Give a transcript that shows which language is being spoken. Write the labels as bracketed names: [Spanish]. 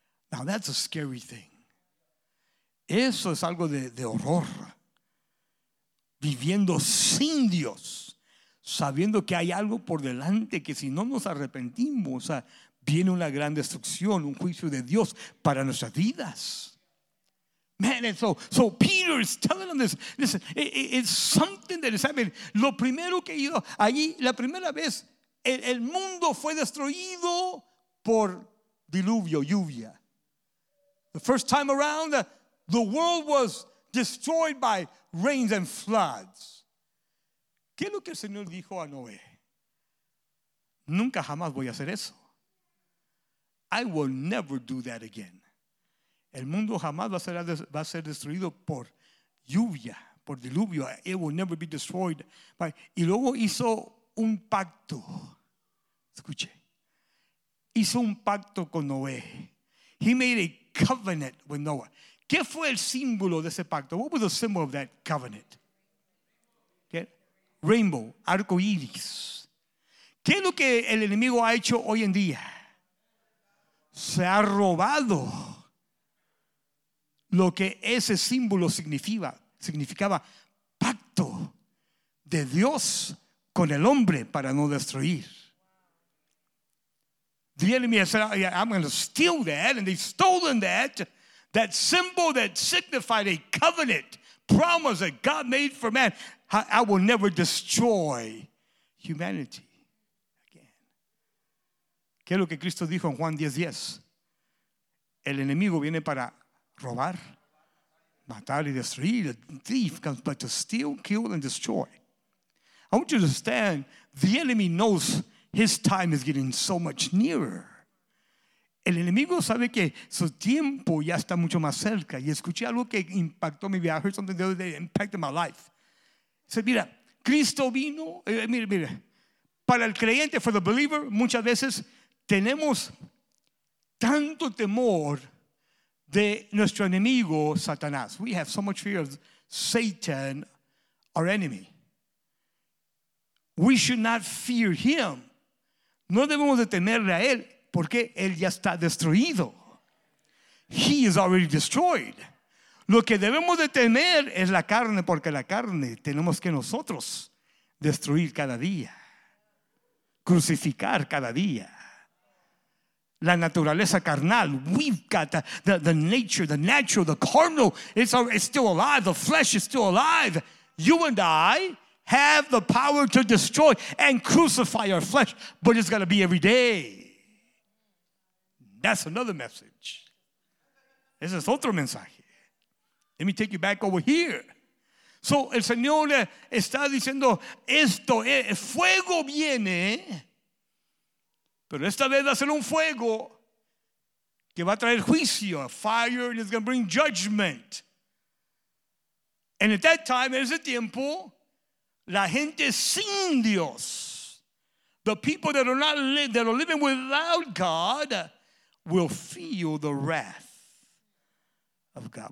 [English] Now that's a scary thing. [Spanish] Eso es algo de horror. Viviendo sin Dios. Sabiendo que hay algo por delante, que si no nos arrepentimos, viene una gran destrucción, un juicio de Dios para nuestras vidas. [English] Man, and so Peter is telling them this. Listen, it's something that is happening. [Spanish] Lo primero que hizo allí, la primera vez, el mundo fue destruido por diluvio, lluvia. [English] The first time around, the world was destroyed by rains and floods. [Spanish] ¿Qué es lo que el Señor dijo a Noé? Nunca jamás voy a hacer eso. [English] I will never do that again. [Spanish] El mundo jamás va a ser destruido por lluvia, por diluvio. [English] It will never be destroyed. [Spanish] Y luego hizo un pacto. Escuche. Hizo un pacto con Noé. [English] He made a covenant with Noah. [Spanish] ¿Qué fue el símbolo de ese pacto? [English] What was the symbol of that covenant? [Spanish] Rainbow, arco iris. ¿Qué es lo que el enemigo ha hecho hoy en día? Se ha robado lo que ese símbolo significaba. Pacto de Dios con el hombre para no destruir. [English] The enemy has said, I'm going to steal that. And they've stolen that symbol that signified a covenant promise that God made for man. I will never destroy humanity again. [Spanish] ¿Qué es lo que Cristo dijo en Juan 10:10? El enemigo viene para robar, matar y destruir. [English] The thief comes but to steal, kill, and destroy. I want you to understand, the enemy knows His time is getting so much nearer. [Spanish] El enemigo sabe que su tiempo ya está mucho más cerca. Y escuché algo que impactó mi vida. [English] I heard something the other day that impacted my life. [Spanish] Dice, mira, Cristo vino. Mira, para el creyente, [English] for the believer, [Spanish] muchas veces tenemos tanto temor de nuestro enemigo, Satanás. [English] We have so much fear of Satan, our enemy. We should not fear him. [Spanish] No debemos de temerle a él, porque él ya está destruido. [English] He is already destroyed. [Spanish] Lo que debemos de temer es la carne, porque la carne tenemos que nosotros destruir cada día, crucificar cada día. La naturaleza carnal, [English] we've got the nature, the natural, the carnal, it's still alive, the flesh is still alive. You and I have the power to destroy and crucify our flesh, but it's going to be every day. That's another message. [Spanish] Ese es otro mensaje. [English] Let me take you back over here. So, [Spanish] el Señor está diciendo esto. Fuego viene. Pero esta vez va a ser un fuego que va a traer juicio. [English] A fire and it's going to bring judgment. And at that time, [Spanish] en ese tiempo, la gente sin Dios, [English] the people that are not that are living without God, will feel the wrath of God.